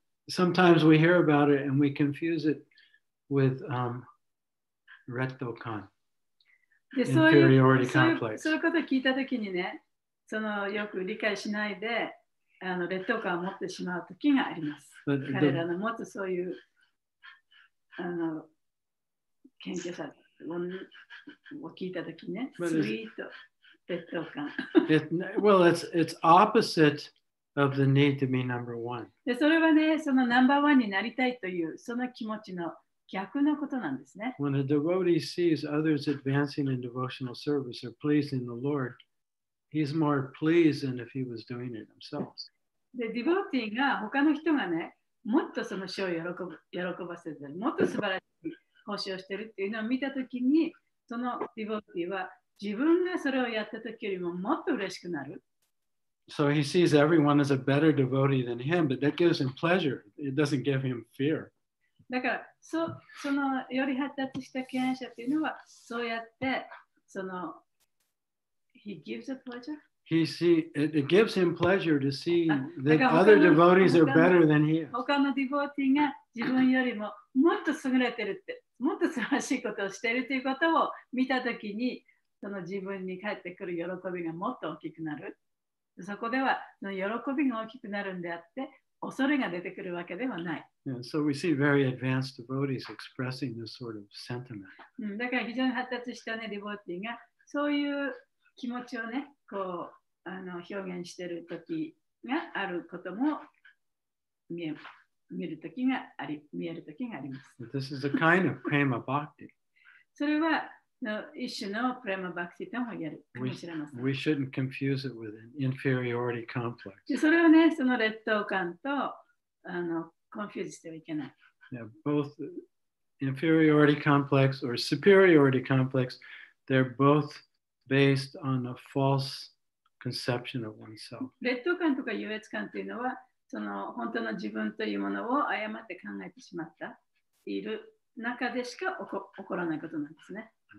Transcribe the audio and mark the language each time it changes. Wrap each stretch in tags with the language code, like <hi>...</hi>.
<en>Sometimes we hear about it and we confuse it with rettokan, inferiority complex.</en> <ja>そういうことを聞いたときにね、そのよく理解しないで、あの劣等感を持ってしまうときがあります。彼らの持つそういう、あの、謙虚さを聞いたときね、スイート、劣等感。</ja> <en>Well, it's opposite. Of the need to be number one.</en> <ja>で、それはね、そのナンバーワンになりたいというその気持ちの逆のことなんですね。</ja> <en>When a devotee sees others advancing in devotional service or pleasing the Lord, he's more pleased than if he was doing it himself.</en> <ja>で、ディボーティーが他の人がね、もっとその賞を喜ばせて、もっと素晴らしい報酬をしているっていうのを見たときに、そのディボーティーは自分がそれをやったときよりももっと嬉しくなる。</ja> <en>So he sees everyone as a better devotee than him, but that gives him pleasure. It doesn't give him fear.</en> <ja>だから、そのより発達した経験者というのは、そうやって、その、</ja> <en>he gives a pleasure? He see, it gives him pleasure to see that other devotees are better than he is.</en> <ja>他のディボーティーが自分よりももっと優れてるって、もっと素晴らしいことをしているということを見たときに、その自分に返ってくる喜びがもっと大きくなる。そこでは喜びが大きくなるんであって恐れが出てくるわけではない。</ja> <en>Yeah, so we see very advanced devotees expressing this sort of sentiment.</en> <ja>だから非常に発達したね、ディボーティーがそういう気持ちをね、こう、あの、表現してる時があることも見える時があります。</ja> <en>This is a kind of prema bhakti.</en> <ja>それは一種のプレマバクティとも言えるかもしれません。</ja> <en>We shouldn't confuse it with an inferiority complex.</en> <ja>それをね、その劣等感と、あの、コンフューズしてはいけない。</ja> <en>Yeah, both inferiority complex or superiority complex, they're both based on a false conception of oneself.</en> <ja>劣等感とか優越感というのは、その本当の自分というものを誤って考えてしまった、いる中でしか起こらないことなんですね。</ja>